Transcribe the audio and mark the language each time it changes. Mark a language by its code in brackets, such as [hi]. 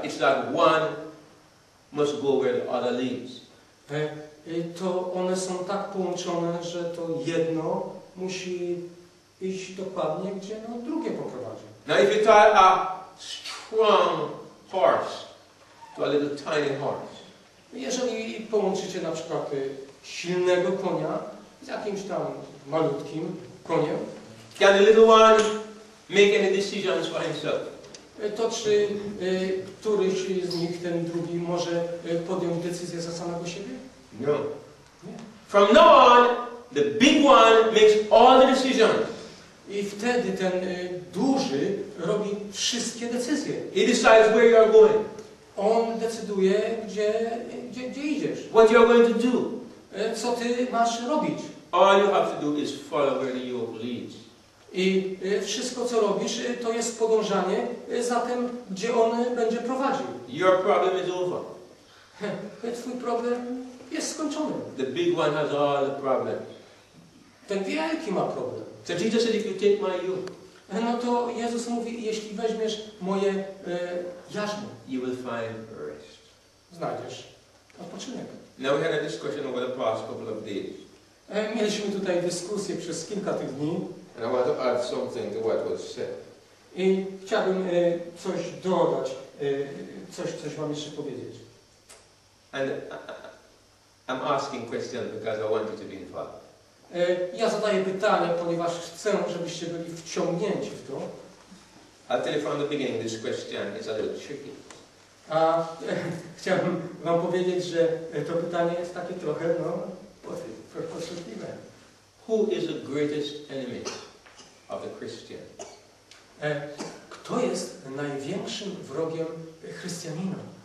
[en] It's that one must go where the other leads. [pl] To one są tak połączone, że to jedno musi iść dokładnie, gdzie no, drugie poprowadzi. [en] Now if you tie a strong horse to a little tiny horse. [pl] Jeżeli połączycie na przykład silnego konia z jakimś tam malutkim koniem, [en] can the little one make any decisions for himself? [pl] To czy któryś z nich, ten drugi, może podjąć decyzję za samego siebie? [en] No. From now on, the big one makes all the decisions. [pl] I wtedy ten duży robi wszystkie decyzje. [en] He decides where you are going. [pl] On decyduje, gdzie idziesz. [en] What you are going to do. [pl] Co ty masz robić. [en] All you have to do is follow where you lead. [pl] I wszystko, co robisz, to jest podążanie za tym, gdzie on będzie prowadził. [en] Your problem is over. [pl] Twój problem jest skończony. [en] The big one has all the problems. [pl] Ten wielki ma problem. [en] So Jesus said, if you take my yoke, [pl] no to Jezus mówi, jeśli weźmiesz moje jarzmo, [en] you will find rest. [pl] Znajdziesz odpoczynek. [en] Now we had a discussion over the past couple of days. [pl] Mieliśmy tutaj dyskusję przez kilka tych dni. [en] And I want to add something to what was said. [pl] I chciałbym coś dodać, coś wam jeszcze powiedzieć. [en] And I'm asking questions because I want you to be involved. [pl] Ja zadaję pytanie, ponieważ chcę, żebyście byli wciągnięci w to. [en] I'll tell you from the beginning, this question is a little tricky. [pl] A chciałbym wam powiedzieć, że to pytanie jest takie trochę, no, podstępliwe. [en] Who is the greatest enemy of the Christian? [pl] Kto jest największym wrogiem chrześcijanina?